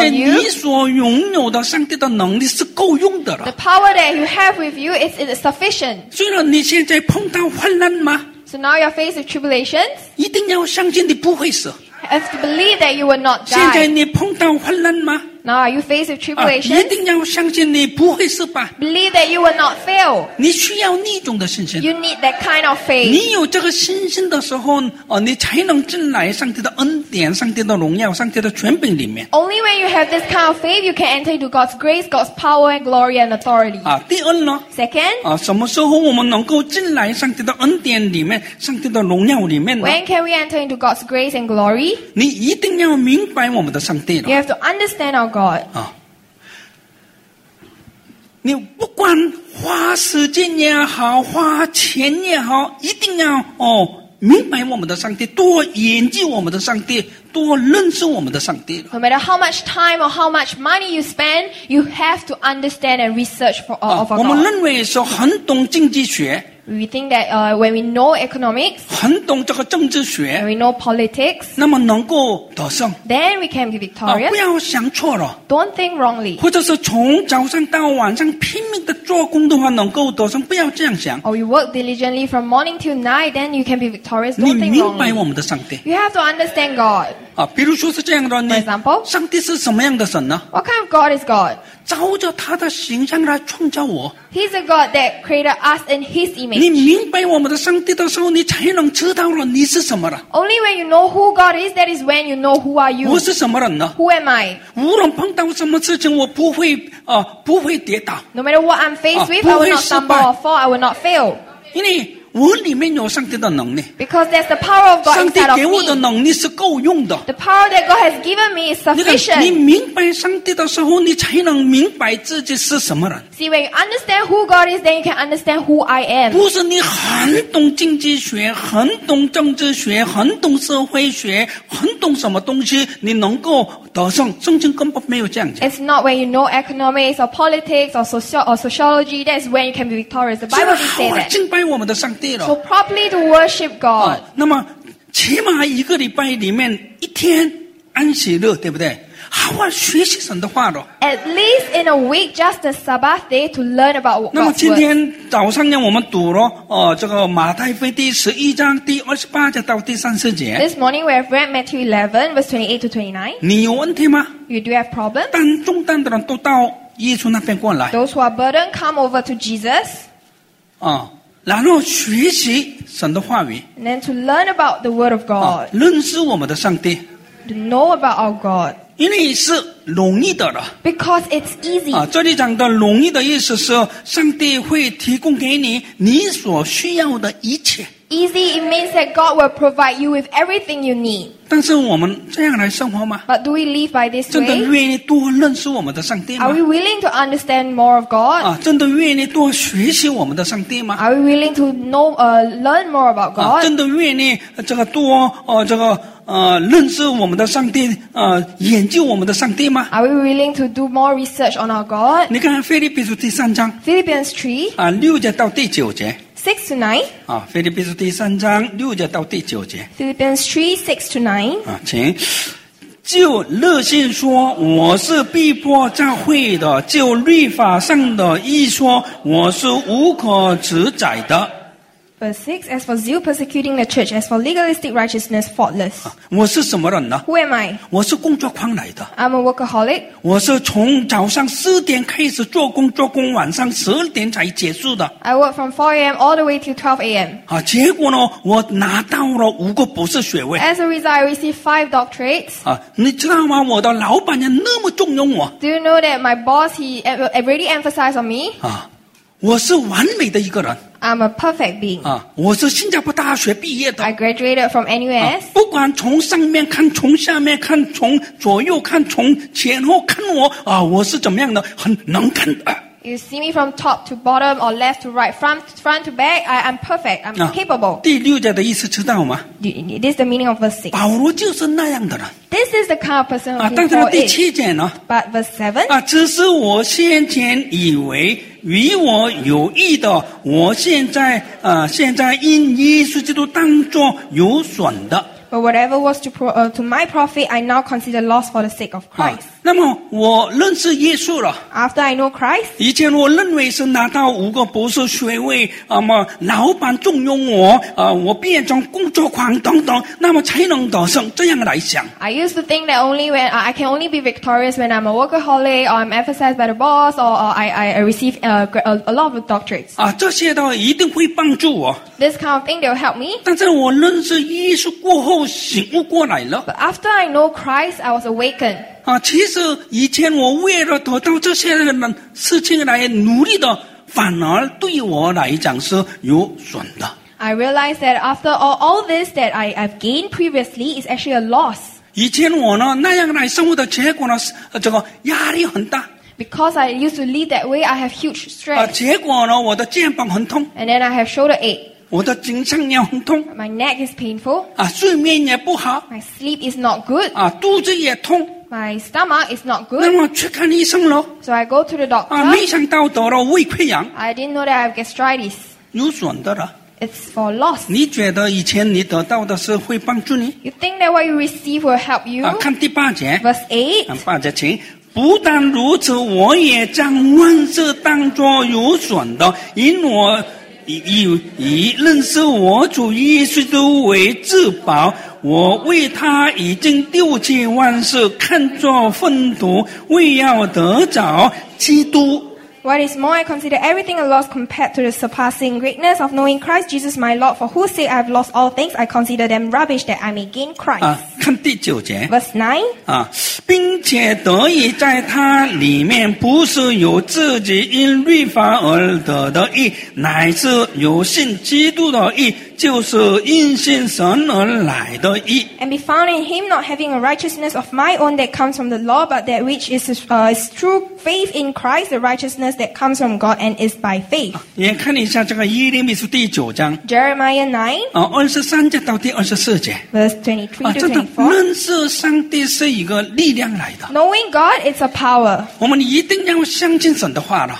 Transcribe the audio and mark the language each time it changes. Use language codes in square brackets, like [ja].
[zh] 现在你所拥有的上帝的能力是够用的了, [en] the power that you have with you is sufficient. [zh] 虽然你现在碰到患难吗? [en] So now you're faced with tribulations. [zh] 一定要相信你不会死。 [en] Have to believe that you will not die. [zh] 现在你碰到患难吗? [en] Now are you faced with tribulations? [zh] 啊, 一定要相信你不会死吧。 [en] Believe that you will not fail. [zh] 你需要那种的信心。 [en] You need that kind of faith. [zh] 你有这个信心的时候, 哦, 你才能进来上帝的恩典, 上帝的荣耀, 上帝的权柄里面。 [en] Only when you have this kind of faith, you can enter into God's grace, God's power and glory and authority. [zh] 啊, 第二呢? [en] Second, [zh] 啊, 什么时候我们能够进来上帝的恩典里面, 上帝的荣耀里面呢? [en] When can we enter into God's grace and glory? [zh] 你一定要明白我们的上帝了。 [en] You have to understand our God. [zh] 啊, 你不管花时间也好, 花钱也好, 一定要, 哦, 明白我们的上帝, 多研究我们的上帝, 多认识我们的上帝。 [en] No matter how much time or how much money you spend, you have to understand and research for all of our God. [zh] 我们认为说很懂经济学, [en] we think that when we know economics, [zh] 很懂这个政治学, [en] when we know politics, [zh] 那么能够得胜, [en] then we can be victorious. [zh] 啊, 不要想错了, [en] don't think wrongly. [zh] 或者是从早上到晚上拼命地做工的话, 能够得胜, 不要这样想。 [en] Or you work diligently from morning till night, then you can be victorious. Don't think wrongly. [zh] 你明白我们的上帝。 [en] You have to understand God. [zh] 啊, 比如说是这样的, [en] for example, [zh] 上帝是什么样的神呢? [en] What kind of God is God? [zh] 照着他的形象来创造我。 [en] He's a God that created us in His image. [zh] 你明白我们的上帝的时候, 你才能知道了你是什么了。 [en] Only when you know who God is, that is when you know who are you. [zh] 我是什么人呢? [en] Who am I? [zh] 无论碰到什么事情, 我不会, 不会跌倒。 [en] No matter what I'm faced with, [zh] 不会失败, [en] I will not stumble or fall, I will not fail. [zh] 因为, 我里面有上帝的能力, [en] because there's the power of God inside of me. [zh] 上帝给我的能力是够用的。 [en] The power that God has given me is sufficient. [zh] 你明白上帝的时候, 你才能明白自己是什么人。 [en] See, when you understand who God is, then you can understand who I am. [zh] 不是你很懂经济学, 很懂政治学, 很懂社会学, 很懂什么东西, 你能够得胜, 圣经根本没有这样讲。 [en] It's not when you know economics or politics or sociology, that's when you can be victorious. The Bible doesn't say that. [zh] 敬拜我们的 [en] So properly to worship God. [zh] 啊, 那么起码一个礼拜里面一天安息日, 对不对? 好好学习神的话咯。 [en] At least in a week, just the Sabbath day to learn about God's word. [zh] 那么今天早上我们读了, 这个马太福音第11章第28节到第30节。 [en] This morning we have read Matthew 11, verse 28 to 29. [zh] 你有问题吗? [en] You do have problems? [zh] 但重担的人都到耶稣那边过来。 [en] Those who are burdened come over to Jesus. [zh] 啊, 然后学习神的话语, [en] and then to learn about the word of God. [zh] 啊, 认识我们的上帝, [en] to know about our God. [zh] 因为是容易的了, [en] because it's easy. [zh] 啊, 这里讲的容易的意思是, 上帝会提供给你, 你所需要的一切。 [en] Easy, it means that God will provide you with everything you need. [zh] 但是我们这样来生活吗? [en] But do we live by this way? [zh] 真的愿意多认识我们的上帝吗? [en] Are we willing to understand more of God? [zh] 啊, 真的愿意多学习我们的上帝吗? [en] Are we willing to know, learn more about God? [zh] 啊, 真的愿意这个多, 这个, 认识我们的上帝, 研究我们的上帝吗? [en] Are we willing to do more research on our God? [zh] 你看菲律宾书第三章, [en] Philippians 3, [zh] 啊, 6节到第9节, [en] 6 to 9. [zh] 啊, 菲律宾书第三章, 6节到第9节。 [en] Philippians 3, 6 to 9. [zh] 啊, 请, 就乐信说我是逼迫教会的，就律法上的义说我是无可指摘的。 [en] Verse 6, as for zeal persecuting the church, as for legalistic righteousness, faultless. [zh] 我是什么人呢? [en] Who am I? [zh] 我是工作狂来的。 [en] I'm a workaholic. [zh] 我是从早上四点开始做工，做工晚上十点才结束的。 [en] I work from 4 a.m. all the way till 12 a.m. [zh] 啊，结果呢，我拿到了五个博士学位。 [en] As a result, I received 5 doctorates. [zh] 啊，你知道吗？我的老板娘那么重用我。 [en] Do you know that my boss, he really emphasized on me? [zh] 啊，我是完美的一个人。 [en] I'm a perfect being. [zh] 啊，我是新加坡大学毕业的。 [en] I graduated from NUS. [zh] 不管从上面看，从下面看，从左右看，从前后看我，啊，我是怎么样的，很能看的。 [en] You see me from top to bottom or left to right, front to back, I'm perfect, I'm capable. [zh] 第六节的意思知道吗? [en] This is the meaning of verse 6. [zh] 保罗就是那样的人。 [en] This is the kind of person who is. [zh] 但是第七节呢? [en] But verse 7? [zh] 啊，只是我先前以为与我有益的，我现在因耶稣基督当作有损的。 [en] But whatever was to my profit, I now consider loss for the sake of Christ. [zh] 那么我认识耶稣了。 [en] After I know Christ, [zh] 以前我认为是拿到五个博士学位，那么老板重用我，我变成工作狂等等，那么才能得胜，这样来想。 [en] I used to think that only when I can only be victorious when I'm a workaholic or I'm emphasized by the boss or I receive a lot of doctorates. [zh] 啊，这些的一定会帮助我。 [en] This kind of thing they'll help me. [zh] 但是我认识耶稣过后。醒悟过来了。 [en] But after I know Christ, I was awakened. [zh] 啊，其实以前我为了得到这些人事情来努力的，反而对我来讲是有损的。 [en] I realized that after all this that I've gained previously is actually a loss. [zh] 以前我呢那样来生活的结果呢，这个压力很大。 [en] Because I used to live that way, I have huge stress. [zh] 啊，结果呢我的肩膀很痛。 [en] And then I have shoulder ache. [zh] 我的颈项炎很痛。 [en] My neck is painful. [zh] 啊，睡眠也不好。 [en] My sleep is not good. [zh] 啊，肚子也痛。 [en] My stomach is not good. [zh] 那么去看医生咯。 [en] So I go to the doctor. [zh] 啊，没想到得了胃溃疡。 [en] I didn't know that I have gastritis. [zh] 有损的了。 [en] It's for loss. [zh] 你觉得以前你得到的是会帮助你？ [en] You think that what you receive will help you? [zh] 啊，看第八节。 [en] Verse 8. [zh] 看八节，请。不但如此，我也将万事当作有损的，因我。以认识我主耶稣基督为至宝，我为他已经丢弃万事，看作粪土，为要得着基督。 [en] What is more, I consider everything a loss compared to the surpassing greatness of knowing Christ Jesus my Lord, for whose sake I have lost all things, I consider them rubbish that I may gain Christ. [zh] 啊，看第九节。 [en] Verse 9. [zh] 啊，并且得以在他里面不是由自己因律法而得的义，乃是由信基督的义，就是因信神而来的义。 [en] And be found in him not having a righteousness of my own that comes from the law, but that which is true faith in Christ, the righteousness that comes from God and is by faith. [zh] 也看一下这个耶利米书第九章。 [en] Jeremiah 9. [zh] 啊，二十三节到第二十四节。 [en] Verse 23 to 24. [zh] 啊，真的，认识上帝是一个力量来的。 [en] Knowing God is a power. [zh] 我们一定要相信神的话了。